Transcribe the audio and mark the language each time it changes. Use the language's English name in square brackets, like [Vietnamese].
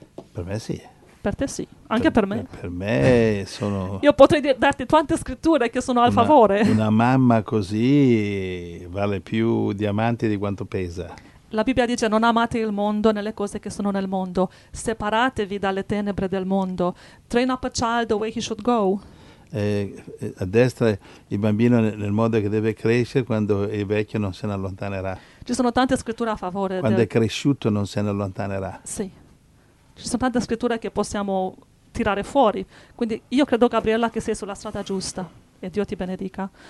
[Italian] Per me sì. Per te sì, anche per me. Per me sono... Io potrei darti tante scritture che sono al favore. Una mamma così vale più diamanti di quanto pesa. La Bibbia dice non amate il mondo né le cose che sono nel mondo. Separatevi dalle tenebre del mondo. [English] Train up a child the way he should go. [Italian] Addestra il bambino nel modo che deve crescere, quando è vecchio non se ne allontanerà. Ci sono tante scritture a favore. Quando è cresciuto non se ne allontanerà. Sì. Ci sono tante scritture che possiamo tirare fuori. Quindi io credo, Gabriella, che sei sulla strada giusta. E Dio ti benedica.